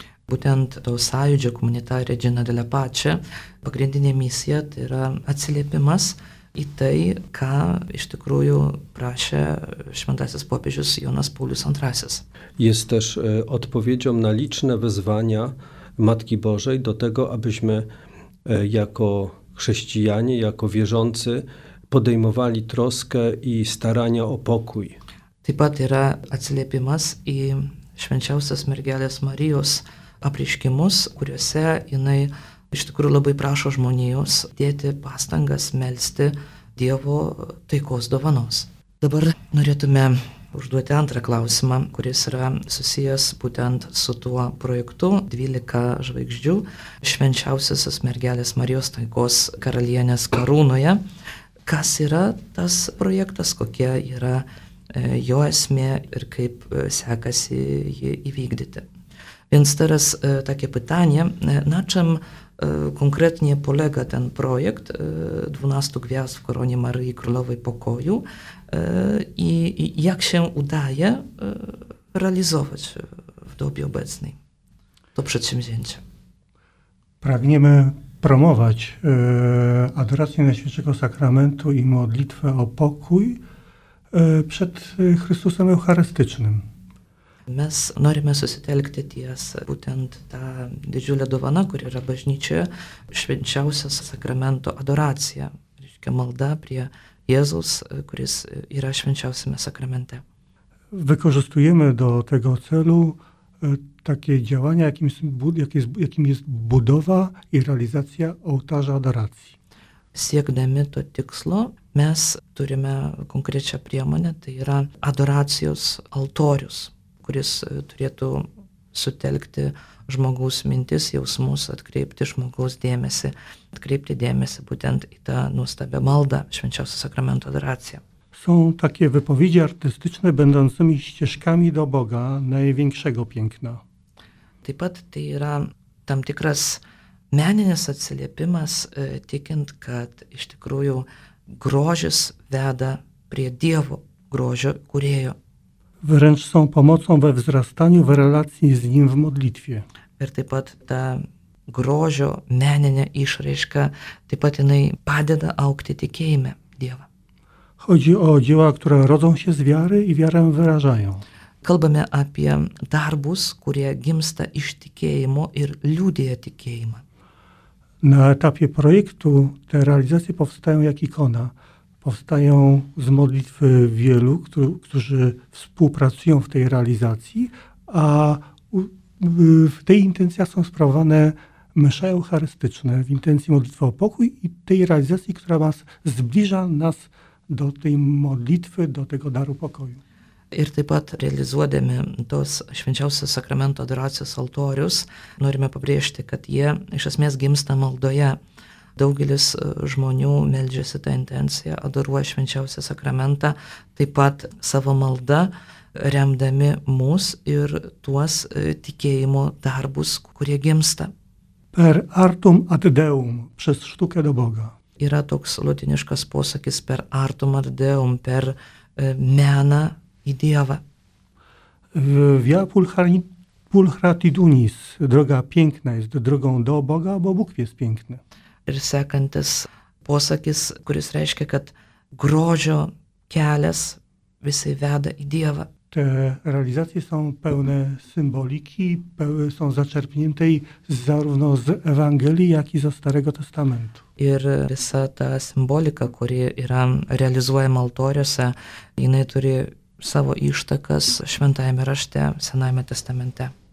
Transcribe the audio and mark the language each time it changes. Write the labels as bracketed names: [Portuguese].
[Lithuanian] Būtent to sąjūdžio Comunità Regina della Pace pagrindinė misija tai yra atsiliepimas į tai, ką iš tikrųjų prašė šventasis popiežius Jonas Paulius II. [Polish] Jest też odpowiedzią na liczne wezwania Matki Bożej do tego, abyśmy jako chrześcijanie, jako wierzący podejmowali troskę i starania o pokój. [Lithuanian] Taip pat yra atsiliepimas į švenčiausios mergelės Marijos apreiškimus, kuriuose jinai iš tikrųjų labai prašo žmonijos dėti pastangas melsti Dievo taikos dovanos. Dabar norėtume užduoti antrą klausimą, kuris yra susijęs būtent su tuo projektu 12 žvaigždžių švenčiausiosios mergelės Marijos taikos karalienės karūnoje. Kas yra tas projektas, kokia yra jo esmė ir kaip sekasi jį įvykdyti. [Polish] Vinstaras takie pytanie, na czym konkretnie polega ten projekt 12 gwiazd w koronie Maryi Królowej Pokoju i jak się udaje realizować w dobie obecnej to przedsięwzięcie? Pragniemy promować adorację Najświętszego Sakramentu i modlitwę o pokój przed Chrystusem Eucharystycznym. [Lithuanian] Mes norime susitelkti ties būtent tą didžiulę dovaną, kuri yra bažnyčioje švenčiausios sakramento adoracija, reiškia malda prie Jėzaus, kuris yra švenčiausiame sakramente. [Polish] Wykorzystujemy do tego celu takie działania, jakim jest budowa i realizacja ołtarza adoracji. [Lithuanian] Siekdami to tikslo, mes turime konkrečią priemonę, to yra adoracijos altorius, kuris turėtų sutelkti žmogaus mintis, jausmus, atkreipti žmogaus dėmesį, atkreipti dėmesį būtent į tą nuostabią maldą, švenčiausio sakramento adoraciją. [Polish] Są takie wypowiedzi artystyczne będącymi ścieżkami do Boga, największego piękna. [Lithuanian] Taip pat tai yra tam tikras meninis atsiliepimas, tikint, kad iš tikrųjų grožis veda prie Dievo grožio kūrėjo. [Polish] Wręcz są pomocą we wzrastaniu, w relacji z Nim w modlitwie. [Lithuanian] Ir taip pat ta grožio meninė išraiška, taip pat jinai padeda augti tikėjime Dievą. [Polish] Chodzi o dzieła, które rodzą się z wiary i wiarę wyrażają. [Lithuanian] Kalbame apie darbus, kurie gimsta iš tikėjimo ir liudija tikėjimą. [Polish] Na etapie projektu te realizacje powstają jak ikona. Powstają z modlitwy wielu, którzy współpracują w tej realizacji, a w tej intencjach są sprawowane msze eucharystyczne w intencji modlitwy o pokój i tej realizacji, która zbliża nas do tej modlitwy, do tego daru pokoju. [Lithuanian] Ir taip pat realizuodami tos švenčiausios sakramento adoracijos altorius, norime pabrėžti, kad jie iš esmės gimsta maldoje. Daugelis žmonių meldžiasi tą intenciją, adoruoja švenčiausią sakramentą, taip pat savo maldą, remdami mus ir tuos tikėjimo darbus, kurie gimsta. [Latin] Per artum ad deum, [Polish] przez sztukę do Boga. [Lithuanian] Yra toks lotiniškas posakis [Latin] per artum ad deum, [Lithuanian] per meną į Dievą. [Latin] Via pulchratidunis, [Polish] droga piękna jest drogą do Boga, bo Bóg jest piękny. [Lithuanian] Ir sekantis posakis, kuris reiškia, kad grožio kelias visai veda į Dievą. [Polish] Te realizacje są pełne symboliki, są zaczerpnięte zarówno z Ewangelii, jak i ze Starego Testamentu. [Lithuanian] I visa ta symbolika, kuri yra realizuojama altoriuose, jinai turi savo ištakas Šventajame rašte, Senajame testamente.